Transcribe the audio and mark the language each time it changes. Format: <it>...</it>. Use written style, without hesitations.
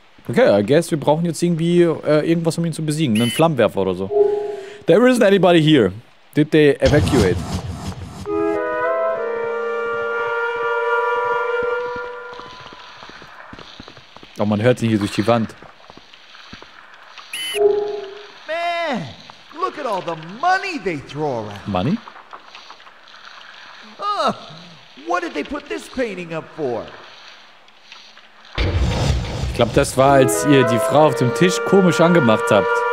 <de>Okay,</de> <en>I guess</en> <de>wir brauchen jetzt irgendwie irgendwas, um ihn zu besiegen. Einen Flammenwerfer oder so.</de> <en>There isn't anybody here. Did they evacuate?</en> <de>Oh, man hört ihn hier durch die Wand.</de> <en>Man, look at all the money they throw around. Money? What did they put this painting up for?</en> <de>Ich glaube, das war, als ihr die Frau auf dem Tisch komisch angemacht habt.</de>